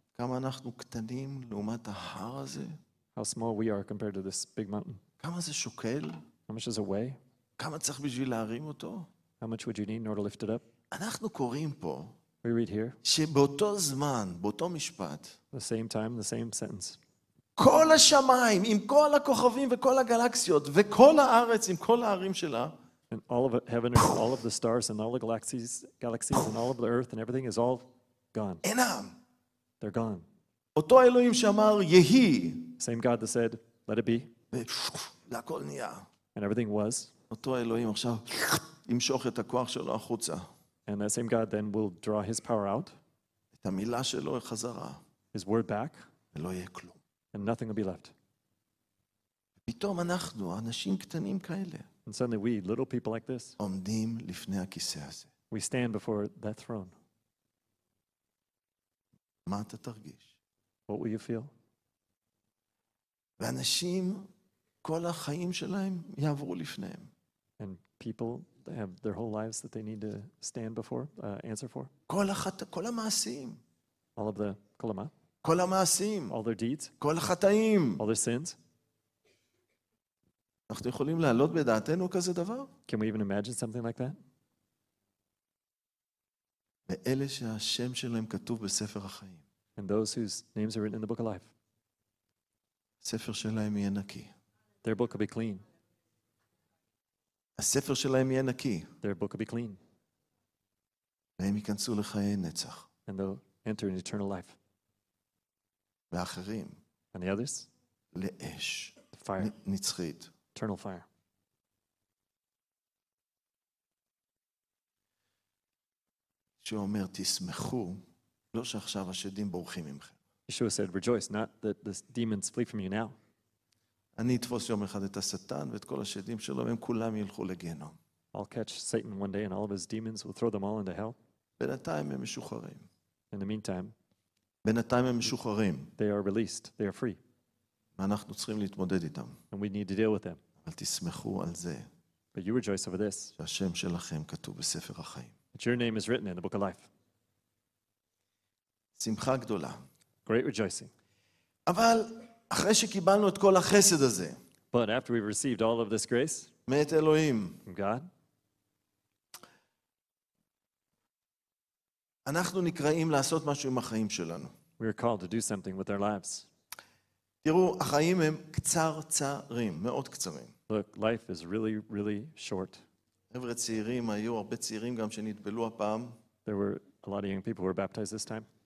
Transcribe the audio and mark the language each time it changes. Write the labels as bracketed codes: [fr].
[he] כמה אנחנו קטנים לעומת ההר הזה? [en] How small we are compared to this big mountain. [he] כמה זה שוקל? [en] How much does it weigh? [he] כמה צריך בשביל להרים אותו? [en] How much would you need in order to lift it up? [he] אנחנו קוראים פה. [en] We read here. [he] שבאותו זמן, באותו משפט. [en] The same time, the same sentence. [he] כל השמיים, עם כל הכוכבים וכל הגלקסיות, וכל הארץ, עם כל הערים שלה. [en] And all of heaven and all of the stars and all the galaxies and all of the earth and everything is all gone. [he] אינם. [en] They're gone. [he] אותו אלוהים שאמר יהי. [en] Same God that said, let it be. [he] והכל נהיה. [en] And everything was. [he] אותו אלוהים עכשיו ימשוך את הכוח שלו החוצה. [en] And the same God then will draw his power out. [he] את המילה שלו חזרה. [en] His word back. [he] ולא יהיה כלום. [en] And nothing will be left. [he] פתאום אנחנו, אנשים קטנים כאלה. [en] And suddenly we, little people like this, [he] עומדים לפני הכיסא הזה. [en] We stand before that throne. [he] מה אתה תרגיש? [en] What will you feel? [he] ואנשים, כל החיים שלהם יעברו לפניהם. [en] And people have their whole lives that they need to stand before, answer for. [he] כל המעשים. [en] All of the kolama. [he] כל המעשים. [en] All their deeds. [he] כל החטאים. [en] All their sins. [he] אנחנו יכולים להעלות בדעתנו כזה דבר? [en] Can we even imagine something like that? [he] ואלה שהשם שלהם כתוב בספר החיים. [en] And those whose names are written in the book of life. [he] ספר שלהם יהיה נקי. [en] Their book will be clean. [he] הספר שלהם יהיה נקי. [en] Their book will be clean. [he] והם ייכנסו לחיי נצח. [en] And they'll enter an eternal life. [he] ואחרים. [en] And the others? [he] לאש. [en] Fire. [he] נצחית. [en] Eternal fire. [he] שאומר תשמחו, לא שעכשיו השדים בורחים ממכם. [en] Yeshua said, rejoice, not that the demons flee from you now. [he] אני אתפוס יום אחד את השטן ואת כל השדים שלו, והם כולם ילכו לגיהנום. [en] I'll catch Satan one day and all of his demons, will throw them all into hell. [he] בינתיים הם משוחררים. [en] In the meantime, [he] בינתיים הם משוחררים. [en] They are released, they are free. [he] ואנחנו צריכים להתמודד איתם. [en] And we need to deal with them. [he] אל תשמחו על זה. [en] But you rejoice over this. [he] שהשם שלכם כתוב בספר החיים. [en] That your name is written in the book of life. [he] שמחה גדולה. [en] Great rejoicing. [he] אבל אחרי שקיבלנו את כל החסד הזה. [en] But after we've received all of this grace. [he] מאת אלוהים. [en] From God. [he] אנחנו נקראים לעשות משהו עם החיים שלנו. [en] We are called to do something with our lives. [he] תראו, החיים הם קצרצרים, מאוד קצרים. [en] Look, life is really, really short. [he] חבר'ה צעירים, היו הרבה צעירים גם שנתבלו הפעם. [en] There were a lot of young people who were baptized this time.